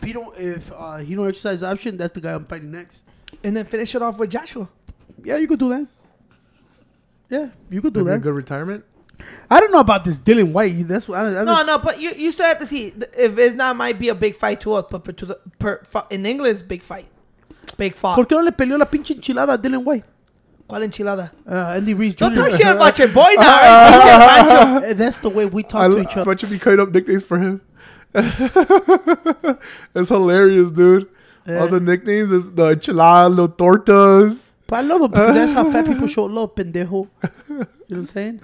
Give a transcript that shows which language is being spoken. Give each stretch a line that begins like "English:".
English: If he don't exercise the option, that's the guy I'm fighting next. And then finish it off with Joshua. Yeah, you could do that. That'd be a good retirement. I don't know about this Dillian White. That's what But you still have to see if it's not might be a big fight to us, but in England it's a big fight. Big fight.
Spanish: ¿Por qué no le peleó la pinche enchilada a Dillian White? ¿Cuál enchilada?
English: Andy Ruiz Jr. Don't talk shit about your boy now. That's the way we talk to each other. I should be cutting up nicknames for him. It's hilarious, dude. All the nicknames, the enchilada, the tortas. But I love it because that's how fat people show love, pendejo. You know what I'm saying?